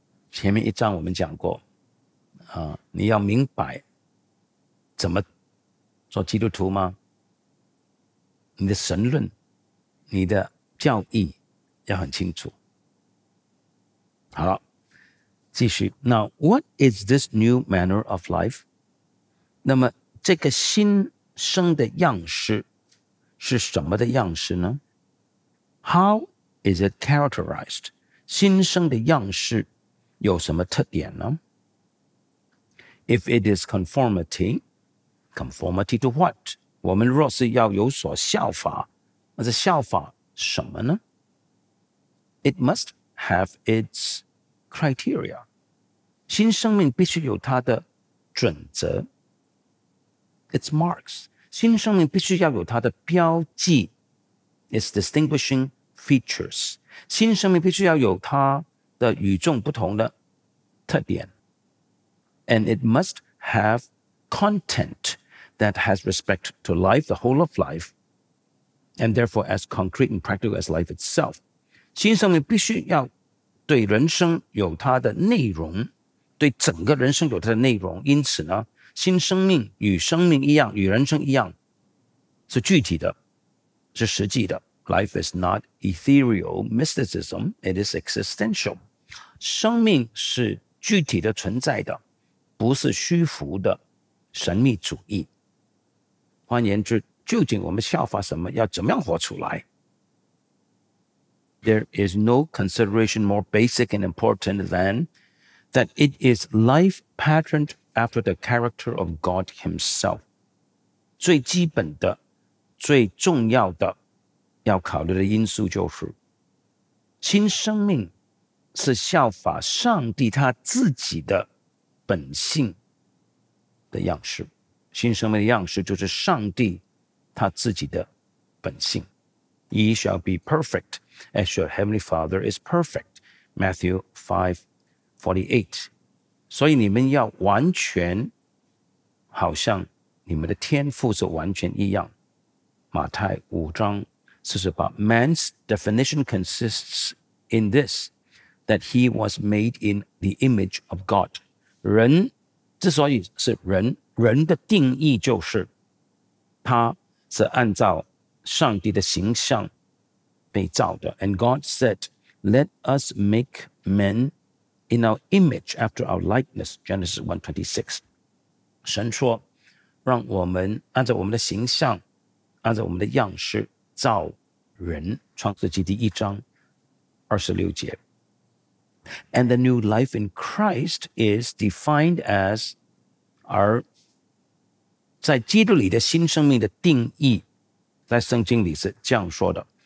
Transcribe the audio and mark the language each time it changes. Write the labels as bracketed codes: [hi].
[zh] 前面一章我们讲过你要明白怎么做基督徒吗？你的神论、你的教义要很清楚。好了，继续。 [en] Now, what is this new manner of life? [zh] 那么这个新生的样式是什么的样式呢？ [en] How is it characterized? [zh] 新生的样式有什么特点呢？ [en] If it is conformity, conformity to what? [zh] 我们若是要有所效法，那是效法什么呢？ [en] It must have its criteria. [zh] 新生命必须有它的准则。 [en] Its marks. [zh] 新生命必须要有它的标记。 [en] Its distinguishing features. [zh] 新生命必须要有它的与众不同的特点。 [en] And it must have content that has respect to life, the whole of life, and therefore as concrete and practical as life itself. [zh] 新生命必须要对人生有它的内容，对整个人生有它的内容。因此呢，新生命与生命一样，与人生一样，是具体的，是实际的。 [en] Life is not ethereal mysticism, it is existential. [zh] 生命是具体的存在的，不是虚浮的神秘主义。换言之，究竟我们效法什么，要怎么样活出来？ [en] There is no consideration more basic and important than that it is life patterned after the character of God himself. [zh] 最基本的、最重要的要考虑的因素就是新生命是效法上帝他自己的本性的样式。新生命的样式就是上帝他自己的本性。 [en] Ye shall be perfect as your heavenly Father is perfect. Matthew 5:48. [zh] 所以你们要完全好像你们的天父是完全一样。马太5:48. [en] Man's definition consists in this, that he was made in the image of God. [zh] 人之所以是人，人的定义就是他是按照上帝的形象被造的。 [en] And God said, Let us make men in our image after our likeness. Genesis 1:26. [zh] 神说让我们按照我们的形象，按照我们的样式造人。创世纪第一章26节。 [en] And the new life in Christ is defined as [zh] 而在基督里的新生命的定义在圣经里是这样说的。